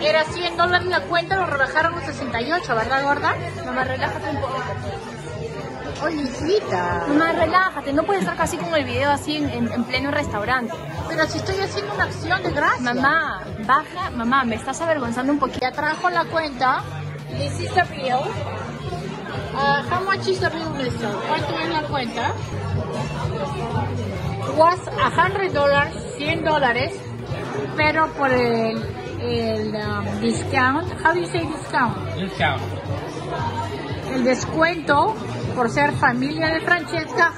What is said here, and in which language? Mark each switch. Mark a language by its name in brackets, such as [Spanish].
[English] here it is. [Spanish] Era $100 la cuenta, lo rebajaron a $68, ¿verdad, gorda? Mamá, relájate un poco. Oye, hijita. Mamá, relájate. No puedes estar casi con el video así en pleno restaurante. Pero si estoy haciendo una acción de gracia. Mamá, baja. Mamá, me estás avergonzando un poquito. Ya trajo la cuenta. [English] This is the bill. How much is it? [Spanish] chiste rico que eso. ¿Cuánto es la cuenta? Was $100, $100, pero por el discount. [English] How do you say discount? Discount. [Spanish] El descuento por ser familia de Francesca.